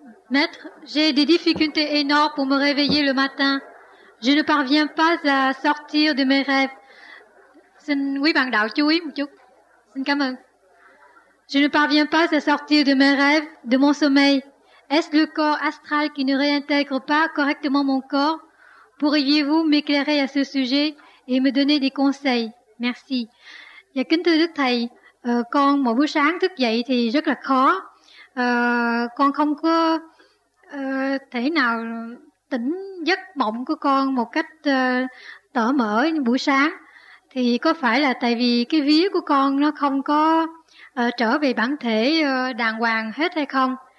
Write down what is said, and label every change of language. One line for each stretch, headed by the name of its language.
French: Maître, j'ai des difficultés énormes pour me réveiller le matin. Je ne parviens pas à sortir de mes rêves.
Vietnamese: Xin quý bạn đạo chú ý một chút. Xin cảm ơn.
French: Je ne parviens pas à sortir de mes rêves, de mon sommeil. Est-ce le corps astral qui ne réintègre pas correctement mon corps? Pourriez-vous m'éclairer à ce sujet et me donner des conseils? Merci.
Vietnamese: Dạ kính thưa Đức Thầy, con mỗi buổi sáng thức dậy thì rất là khó. Con không có thể nào tỉnh giấc mộng của con một cách tở mở buổi sáng. Thì có phải là tại vì cái vía của con nó không có trở về bản thể đàng hoàng hết hay không?